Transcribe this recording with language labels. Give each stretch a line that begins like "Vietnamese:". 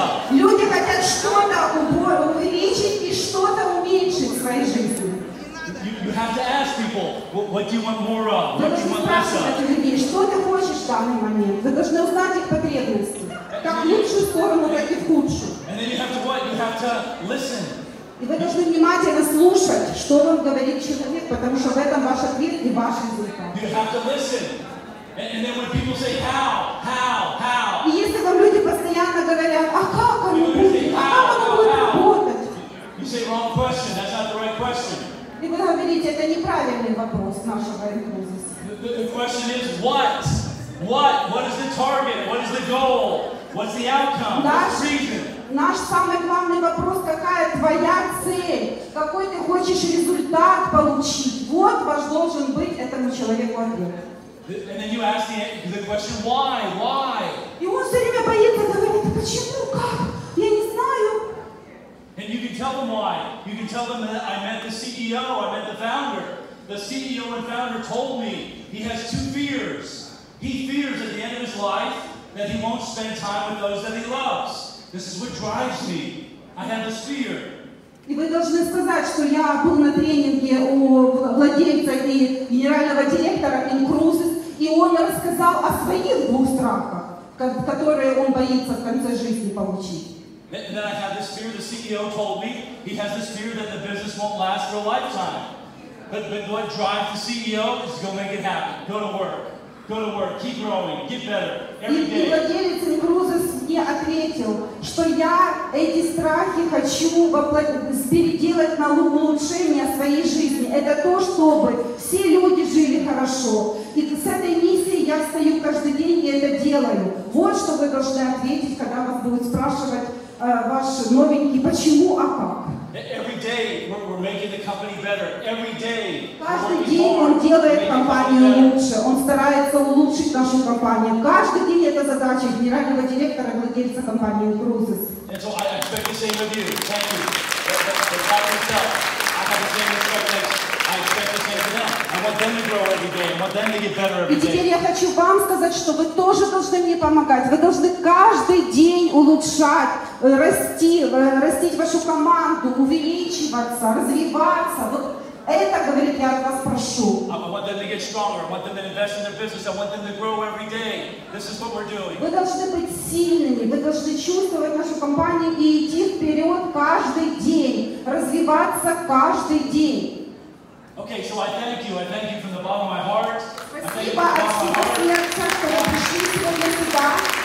Russian: Люди хотят что-то увеличить и что-то уменьшить в своей жизни.
English: You have to ask people, what do you want more of? What do you want less of?
Russian: Людей, что ты хочешь в данный момент? Вы должны узнать их потребности. Как в лучшую сторону, так и в худшую.
English: And then you have to what? You have to listen.
Russian: И вы должны внимательно слушать, что вам говорит человек, потому что в этом ваш ответ и ваш результат.
English: You have to listen. And then when people say, how?
Russian: И если вам люди постоянно говорят, а как оно будет? А как оно будет работать?
English: You say wrong question. That's not the right question.
Russian: И вы говорите, это неправильный вопрос нашего интервью.
English: The question is what? What? What is the target? What is the goal? What's the outcome? What's the reason?
Russian: Наш самый главный вопрос, какая твоя цель, какой ты хочешь результат получить. Вот ваш должен быть этому человеку ответ.
English: And then you ask the question, why?
Russian: И он все время боится, говорит, почему, как, я не знаю.
English: And you can tell them why. You can tell them that I met the CEO, I met the founder. The CEO and founder told me he has two fears. He fears at the end of his life that he won't spend time with those that he loves. This is what drives me. I have this fear.
Russian: И вы должны сказать, что я был на тренинге у владельца и генерального директора Incruises, и он рассказал о своих двух страхах, которые он боится в конце жизни получить.
English: And then I have this fear. The CEO told me he has this fear that the business won't last for a lifetime. But what drives the CEO is go make it happen. Go to work. Keep growing. Get better every day.
Russian: И владелец Incruises ответил, что я эти страхи хочу переделать на улучшение своей жизни. Это то, чтобы все люди жили хорошо. И с этой миссией я встаю каждый день и это делаю. Вот что вы должны ответить, когда вас будут спрашивать ваш новенький, почему, а как.
English: Every day we're making the company better. Every day.
Russian: Каждый день он делает компанию лучше. Он старается улучшить нашу компанию. Каждый день это задача генерального директора, владельца компании Incruises.
English: And so I expect the same of you. Thank you. I have the same expectation. I expect the same of them. I want them to grow every day. I want them to get better every day.
Russian: И теперь я хочу вам сказать, что вы тоже должны мне помогать. Вы должны каждый день улучшать. Растить вашу команду, увеличиваться, развиваться. Вот это, говорит, я от вас прошу.
English: I want them to get stronger. I want them to invest in their business. I want them to grow every day. This is what we're doing.
Russian: Вы должны быть сильными. Вы должны чувствовать нашу компанию и идти вперед каждый день. Развиваться каждый день.
English: Okay, so I thank you. I thank you from the bottom of my heart.
Russian: Спасибо от всего сердца, что вы пришли сегодня сюда.